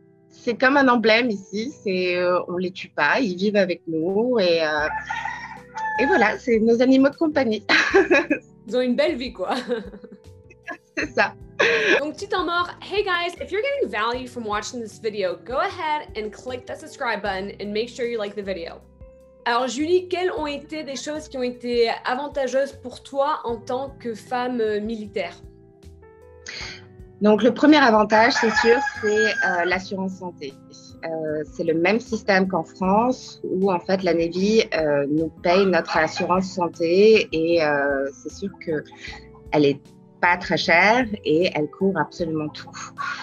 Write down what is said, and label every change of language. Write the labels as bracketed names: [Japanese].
[French] C'est comme un emblème ici, on ne les tue pas, ils vivent avec nous et voilà, c'est nos animaux de compagnie. Ils ont une belle vie quoi. C'est ça. Donc tu t'en mords. [English] Hey guys, if you're getting value from watching this video, go ahead and click that subscribe button and make sure you like the video. [French] Alors Julie, quelles ont été des choses qui ont été avantageuses pour toi en tant que femme militaire? Donc, le premier avantage, c'est sûr, c'est l'assurance santé. C'est le même système qu'en France où, en fait, la Navy nous paye notre assurance santé et c'est sûr qu'elle n'est pas très chère et elle couvre absolument tout.